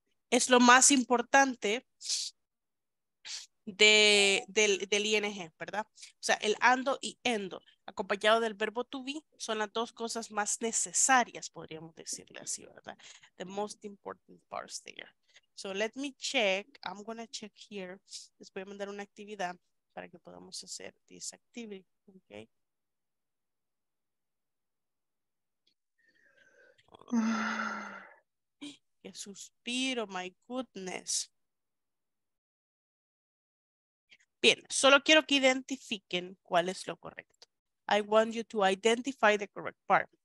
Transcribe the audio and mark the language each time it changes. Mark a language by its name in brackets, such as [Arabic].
[Spanish] Es lo más importante del ING, ¿verdad? O sea, el ando y endo, acompañado del verbo to be, son las dos cosas más necesarias, podríamos decirle así, ¿verdad? [English] The most important parts there. So let me check, I'm going to check here. [Spanish] Les voy a mandar una actividad para que podamos hacer [English] this activity, [Spanish] ¿ok? Oh, okay. ¡Qué suspiro, [English] my goodness! [Spanish] Bien, solo quiero que identifiquen cuál es lo correcto. [English] I want you to identify the correct part.